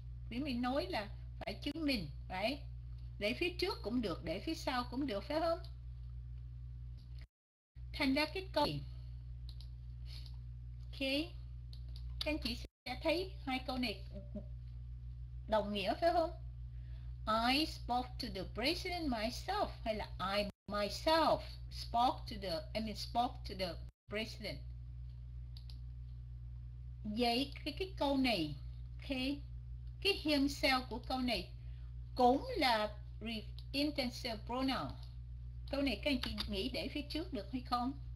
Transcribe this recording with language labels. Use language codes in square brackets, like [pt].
[vi] Chị My nói là phải chứng minh, phải để phía trước cũng được, để phía sau cũng được, phải không? Thành ra cái câu gì? Ok, các anh chị sẽ thấy hai câu này đồng nghĩa, phải không? [en] I spoke to the president myself, [vi] hay là [en] I myself spoke to the, I mean spoke to the president. [vi] Vậy cái câu này, okay, cái himself của câu này cũng là intensive pronoun. Câu này các anh chị nghĩ để phía trước được hay không?